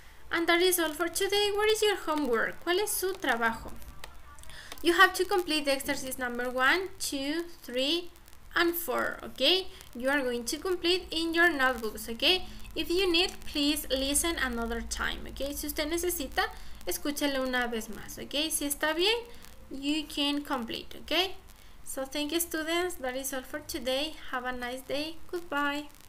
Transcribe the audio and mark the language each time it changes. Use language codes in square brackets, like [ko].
[en] And that is all for today. What is your homework? [es] ¿Cuál es su trabajo? [en] You have to complete the exercise number 1, 2, 3, and 4, okay? You are going to complete in your notebooks, okay? If you need, please listen another time, okay? [es] Si usted necesita, escúchelo una vez más, okay? Si está bien, [en] you can complete, okay? So thank you, students. That is all for today. Have a nice day. Goodbye.